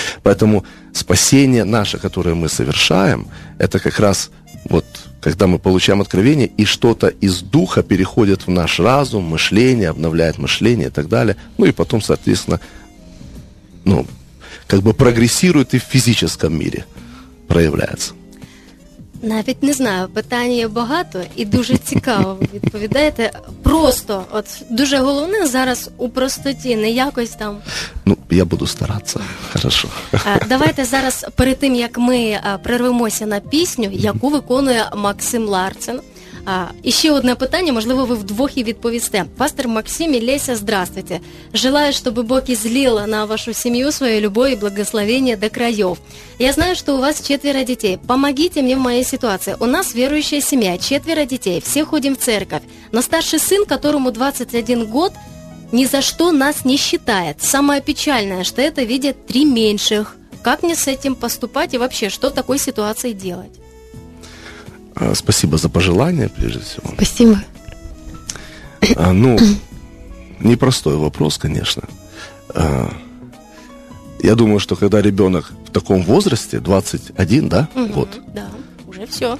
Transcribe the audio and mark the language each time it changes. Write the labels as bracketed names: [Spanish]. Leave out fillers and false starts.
[Russian] Поэтому спасение наше, которое мы совершаем, это как раз вот когда мы получаем откровение, и что-то из Духа переходит в наш разум, мышление, обновляет мышление и так далее. Ну и потом, соответственно, ну, как бы прогресирует и в физическом мире проявляется. [Ukrainian] Навіть не знаю, питань є багато і дуже цікаво, ви відповідаєте. Просто, от дуже головне зараз у простоті, не якось там. [Russian] Ну, я буду старатися, хорошо. [Ukrainian] Давайте зараз, перед тим, як ми перервемося на пісню, яку виконує Максим Ларцин. І ще одне питання, можливо, ви вдвох і відповісте. Пастор Максим і Леся, здравствуйте. Желаю, щоб Бог ізліла на вашу сім'ю своєю любові і благословення до країв. Я знаю, що у вас четверо дітей. Помогіть мені в моїй ситуації. У нас віруюча сім'я, четверо дітей, всі ходимо в церкву. Но старший син, [Russian] которому 21 год, [Ukrainian] ні за що нас не вважає. Саме печальне, що це видять три менших. Як мені з цим поступати і взагалі, що в такій ситуації робити? [Russian] Спасибо за пожелание, прежде всего. Спасибо. Ну, непростой вопрос, конечно. Я думаю, что когда ребенок в таком возрасте, 21, да? Угу, вот. Да, уже все.